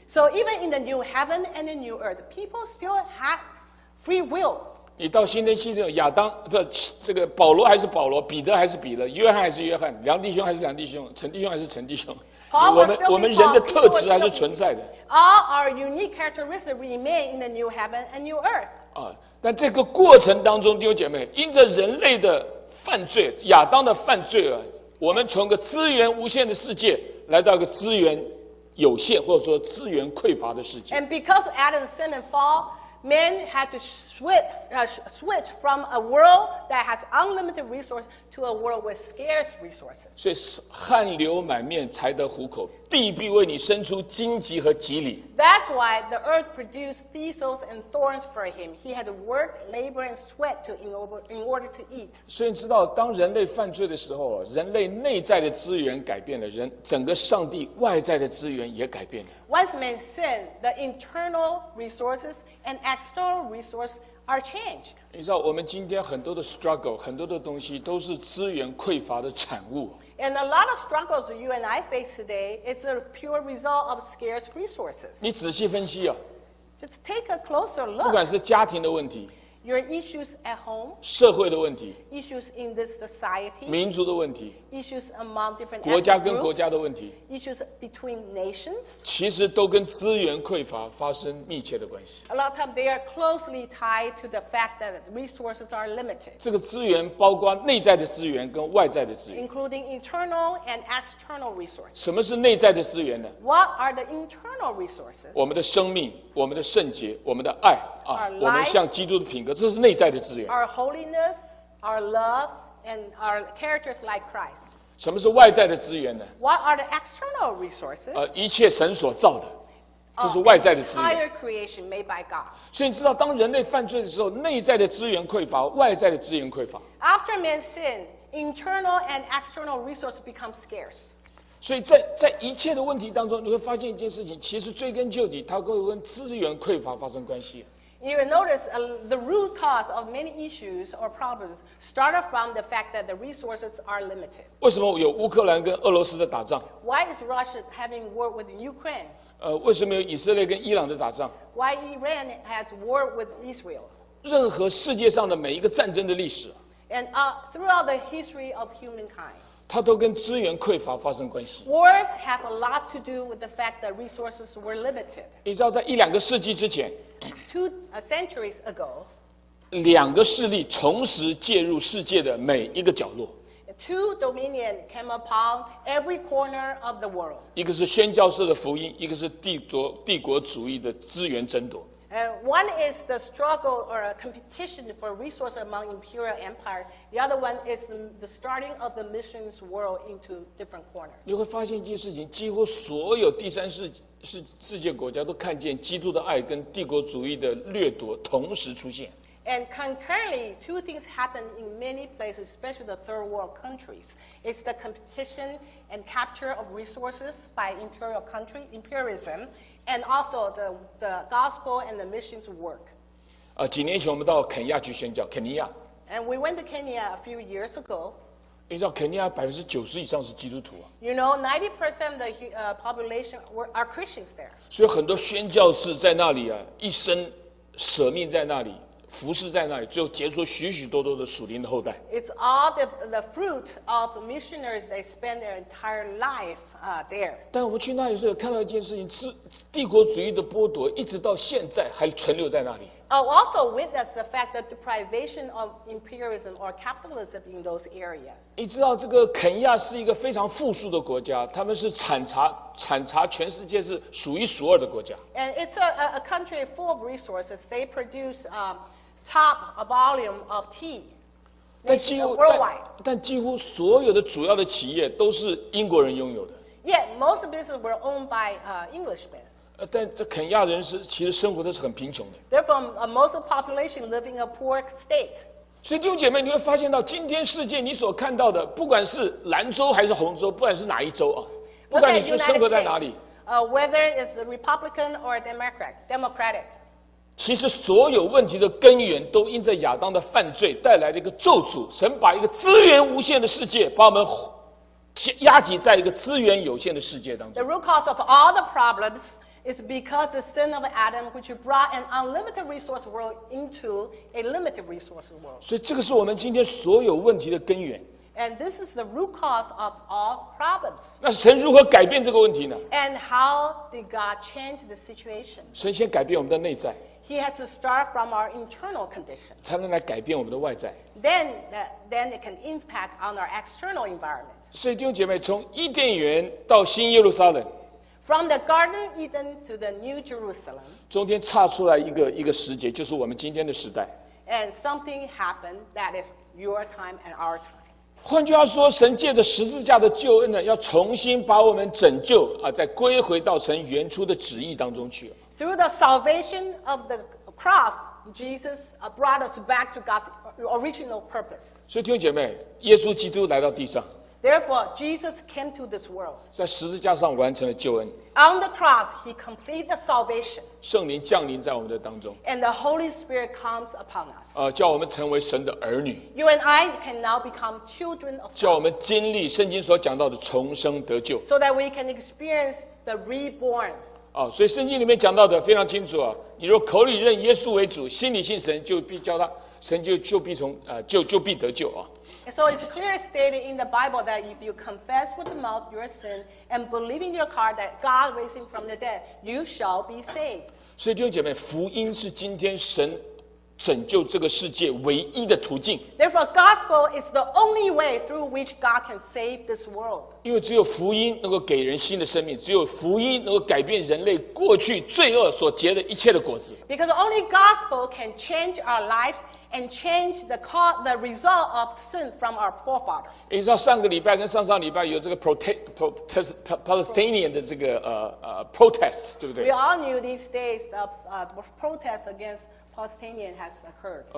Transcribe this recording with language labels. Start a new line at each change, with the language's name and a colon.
English: So even in the new heaven and the new earth, people still have free will.
Chinese: 你到新天新地，亚当不这个保罗还是保罗，彼得还是彼得，约翰还是约翰，梁弟兄还是梁弟兄，陈弟兄还是陈弟兄。我们人的特质还是存在的。
English: All our unique characteristics remain in the new heaven and new earth.
Chinese: 但这个过程当中，弟兄姐妹，因着人类的犯罪，亚当的犯罪，我们从个资源无限的世界来到个资源有限或者说资源匮乏的世界。
English: And because Adam sinned and fall, men had to switch from a world that has unlimited resources to a world with scarce resources.
Chinese: 所以汗流满面才得糊口，地必为你生出荆棘和蒺藜。
English: That's why the earth produced thistles and thorns for him. He had to work, labor, and sweat to in order to eat.
Chinese: 所以你知道，当人类犯罪的时候，人类内在的资源改变了，人整个上帝外在的资源也改变了。
English: Once men sin, the internal resources and external resources are changed.
Chinese: 你知道，我们今天很多的 struggle， 很多的东西都是资源匮乏的产物。
English: And a lot of struggles you and I face today is a pure result of scarce resources.
Chinese: 你仔细分析啊。
English: Just take a closer look.
Chinese: 不管是家庭的问题。
English: Your issues at home.
Chinese: 社会的问题。
English: Issues in this society.
Chinese: 民族的问题。
English: Issues among different ethnic
Chinese: groups. 国家跟国家的问题。
English: Issues between nations.
Chinese: 其实都跟资源匮乏发生密切的关系。
English: A lot of times they are closely tied to the fact that resources are limited.
Chinese: 这个资源包括内在的资源跟外在的资源。
English: Including internal and external resources.
Chinese: 什么是内在的资源呢？
English: What are the internal resources?
Chinese: 我们的生命，我们的圣洁，我们的爱啊，
English: our life,
Chinese: 我们像基督的品格，这是内在的资源。
English: Our holiness, our love,and our characters like Christ.
Chinese: 什么是外在的资源呢？
English: What are the external resources?
Chinese: 一切神所造的，这是外在的资源。
English: Entire creation made by God.
Chinese: 所以你知道，当人类犯罪的时候，内在的资源匮乏，外在的资源匮乏。
English: After man sin, internal and external resources become scarce.
Chinese: 所以在一切的问题当中，你会发现一件事情，其实追根究底，它跟资源匮乏发生关系。
English: You will notice the root cause of many issues or problems started from the fact that the resources are limited.
Chinese: 为什么有乌克兰跟俄罗斯的打仗？
English: Why is Russia having war with Ukraine?
Chinese: 为什么有以色列跟伊朗的打仗？
English: Why Iran has war with Israel?
Chinese: 任何世界上的每一个战争的历史，
English: And throughout the history of humankind,
Chinese: 它都跟资源匮乏发生关系。
English: Wars have a lot to do with the fact that resources were limited.
Chinese: 你知道在一两个世纪之前，
English: 2 centuries ago,
Chinese: 两个势力同时介入世界的每一个角落。
English: Two dominions came upon every corner of the world.
Chinese: 一个是宣教士的福音，一个是帝国主义的资源争夺。
English: One is the struggle or a competition for resources among imperial empires. The other one is the starting of the missions world into different corners.
Chinese: 你会发现一件事情，几乎所有第三世界国家都看见基督的爱跟帝国主义的掠夺同时出现。
English: And concurrently, two things happen in many places, especially the third world countries. It's the competition and capture of resources by imperialism, and also the gospel and the missions work.
Chinese: 几年前我们到肯亚去宣教，肯尼亚。
English: And we went to Kenya a few years ago.
Chinese: 你知道肯尼亚90%以上是基督徒啊。
English: You know, 90% of the population are Christians there.
Chinese: 所以很多宣教士在那里啊，一生舍命在那里。服侍在那里，最后结出许许多多的属灵的后代。
English: It's all the fruit of missionaries. They spend their entire life there.
Chinese: 但我们去那里时候看到一件事情，是帝国主义的剥夺，一直到现在还存留在那里。
English: I also witnessed the fact that the privation of imperialism or capitalism in those areas.
Chinese: 你知道这个肯亚是一个非常富庶的国家，他们是产茶全世界是数一数二的国家。
English: And it's a country full of resources. They produce top volume of tea.
Chinese: 但几乎所有的主要的企业都是英国人拥有的。
English: Yeah, most businesses were owned by Englishmen.
Chinese: 但这肯亚人是其实生活的是很贫穷的。
English: They're from a most population living a poor state.
Chinese: 所以弟兄姐妹，你会发现到今天世界你所看到的，不管是蓝州还是红州，不管是哪一州啊，不管你是生活在哪里
English: States, whether it's a Republican or a Democratic.
Chinese: 其实所有问题的根源都因着亚当的犯罪带来了一个咒诅。神把一个资源无限的世界把我们压挤在一个资源有限的世界当中。
English: The root cause of all the problems is because the sin of Adam, which brought an unlimited resource world into a limited resource world.
Chinese: 所以这个是我们今天所有问题的根源。
English: And this is the root cause of all problems.
Chinese: 那神如何改变这个问题呢？
English: And how did God change the situation?
Chinese: 神先改变我们的内在。
English: He has to start from our internal condition.
Chinese: 才能来改变我们的外在。
English: Then it can impact on our external environment.
Chinese: 所以弟兄姐妹，从伊甸园到新耶路撒冷。
English: From the Garden Eden to the New Jerusalem.
Chinese: 中间差出来一个时节，就是我们今天的时代。
English: And something happened that is your time and our time.
Chinese: 换句话说，神借着十字架的救恩呢，要重新把我们拯救啊，再归回到神原初的旨意当中去。
English: Through the salvation of the cross, Jesus brought us back to God's original purpose.
Chinese: 所以弟兄姐妹，耶稣基督来到地上。
English: Therefore, Jesus came to this world.
Chinese: 在十字架上完成了救恩。
English: On the cross, he completed the salvation.
Chinese: 圣灵降临在我们的当中。
English: And the Holy Spirit comes upon us.
Chinese: 叫我们成为神的儿女。
English: You and I can now become children of God.
Chinese: 叫我们经历圣经所讲到的重生得救。
English: So that we can experience the reborn.
Chinese: 所以圣经里面讲到的非常清楚啊，你若口里认耶稣为主，心里信神，就必叫他，神就必从就必得救啊。
English: So it's clearly stated in the Bible that if you confess with the mouth your sin and believe in your heart that God raised him from the dead, you shall be saved.
Chinese: 所以弟兄姐妹，福音是今天神拯救这个世界唯一的途径。
English: Therefore, gospel is the only way through which God can save this world.
Chinese: 因为只有福音能够给人新的生命，只有福音能够改变人类过去罪恶所结的一切的果子。
English: Because only gospel can change our lives. And change the result of sin from our forefathers.
Chinese: 你知道上个礼拜跟上上礼拜有这个 Palestinian 的这个protest, 对不对？
English: We all knew these days the protest against Palestinian has occurred.